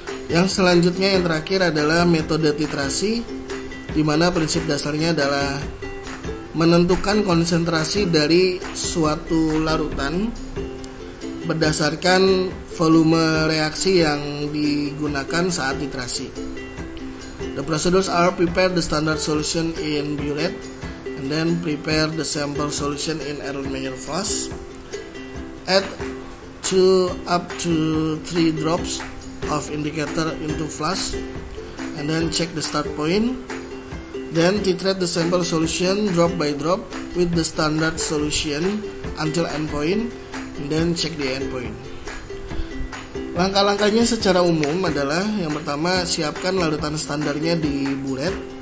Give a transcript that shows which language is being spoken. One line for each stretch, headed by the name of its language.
Indonesian: Yang selanjutnya, yang terakhir adalah metode titrasi, di mana prinsip dasarnya adalah menentukan konsentrasi dari suatu larutan berdasarkan volume reaksi yang digunakan saat titrasi.
English: The procedures are prepare the standard solution in burette and then prepare the sample solution in Erlenmeyer flask. Add 2 up to 3 drops of indicator into flask and then check the start point. Then titrate the sample solution drop by drop with the standard solution until end point and then check the end point.
Indonesian: Langkah-langkahnya secara umum adalah yang pertama siapkan larutan standarnya di burette.